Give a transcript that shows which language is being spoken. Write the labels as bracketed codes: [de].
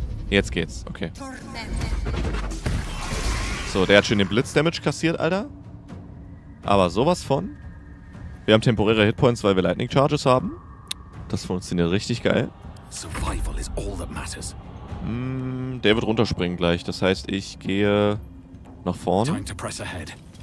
[de] Jetzt geht's. Okay. So, der hat schon den Blitz-Damage kassiert, Alter. Aber sowas von. Wir haben temporäre Hitpoints, weil wir Lightning Charges haben. Das funktioniert richtig geil. [en] Survival is all that matters. [de] Der wird runterspringen gleich. Das heißt, ich gehe nach vorne. [en] Time to press ahead.